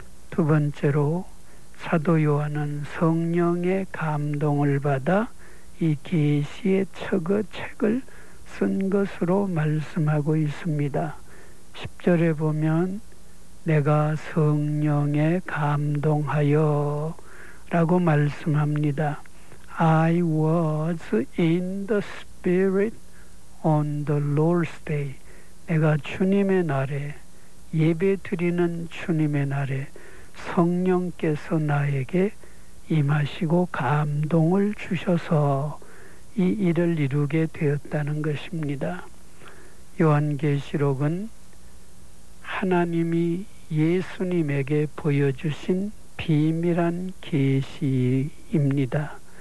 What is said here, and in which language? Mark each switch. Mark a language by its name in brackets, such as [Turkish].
[Korean] 두 번째로 사도 요한은 성령의 감동을 받아 이 계시의 책을 쓴 것으로 말씀하고 있습니다. 10절에 보면 내가 성령에 감동하여 라고 말씀합니다. [English] I was in the spirit on the Lord's day. [Korean] 내가 주님의 날에 예배 드리는 주님의 날에 성령께서 나에게 임하시고 감동을 주셔서 이 일을 이루게 되었다는 것입니다. 요한계시록은 하나님이 예수님에게 보여주신 비밀한 계시입니다.